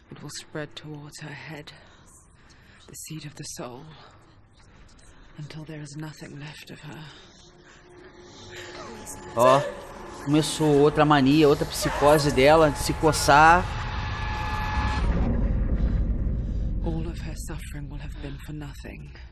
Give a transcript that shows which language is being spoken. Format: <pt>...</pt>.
<en>It will spread towards her head, the seat of the soul, until there is nothing left of her.</en> <pt>Ó, começou outra mania, outra psicose dela de se coçar.</pt> <en>All of her suffering will have been for nothing.</en>